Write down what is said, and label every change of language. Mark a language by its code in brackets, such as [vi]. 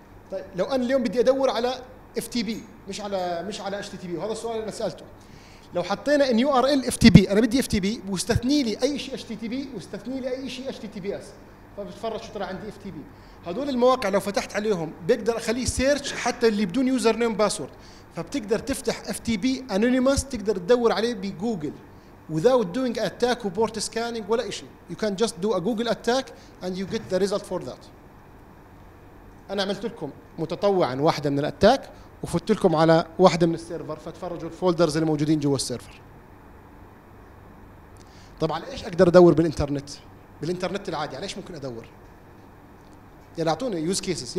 [ar] طيب لو انا اليوم بدي ادور على اف تي بي مش على اتش تي تي بي، وهذا السؤال اللي سالته، لو حطينا ان يو ار ال اف تي بي، انا بدي اف تي بي واستثني لي اي شيء اتش تي تي بي واستثني لي اي شيء اتش تي تي بي اس، فبتفرج شو ترى عندي اف تي بي. هذول المواقع لو فتحت عليهم بقدر اخليه سيرش حتى اللي بدون يوزر نيم باسورد، فبتقدر تفتح اف تي بي انونيمس، تقدر تدور عليه بجوجل [en] without doing attack [ar] و port scanning ولا شيء. [en] You can just do a google attack and you get the result for that. [ar] انا عملت لكم متطوعا واحده من الاتاك وفتت لكم على واحده من السيرفر، فتفرجوا الفولدرز اللي موجودين جوا السيرفر. طبعا ايش اقدر ادور بالانترنت؟ بالانترنت العادي على ايش ممكن ادور؟ يلا اعطوني يوز كيسز.